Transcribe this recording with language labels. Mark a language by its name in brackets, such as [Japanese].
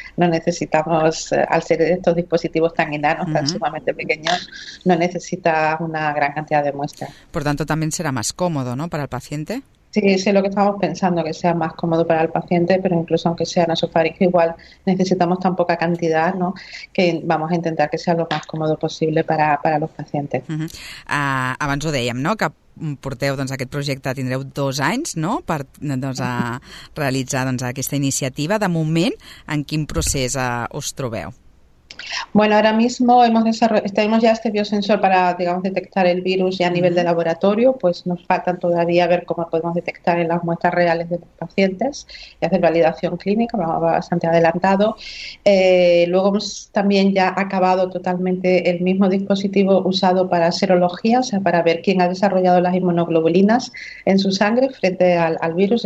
[Spanish] No necesitamos, al ser estos dispositivos tan enanos, tan sumamente pequeños, no necesita una gran cantidad de muestras. Por tanto, también será más cómodo, ¿no?, para el paciente. Sí, es lo que estamos pensando, que sea más cómodo para el paciente, pero incluso aunque sea nasofaríngeo, igual necesitamos tan poca cantidad, ¿no?, que vamos a intentar que sea lo más cómodo posible para los pacientes. [Catalan] Abans ho dèiem, ¿no?, que porteu doncs, aquest projecte, tindreu 2 anys, ¿no?, per doncs, a realitzar doncs, aquesta iniciativa. De moment, en quin procés us trobeu? [Spanish] Bueno, ahora mismo tenemos ya este biosensor para, digamos, detectar el virus ya a nivel de laboratorio, pues nos faltan todavía ver cómo podemos detectar en las muestras reales de los pacientes y hacer validación clínica, vamos bastante adelantado. Luego hemos también ya acabado totalmente el mismo dispositivo usado para serología, o sea, para ver quién ha desarrollado las inmunoglobulinas en su sangre frente al virus.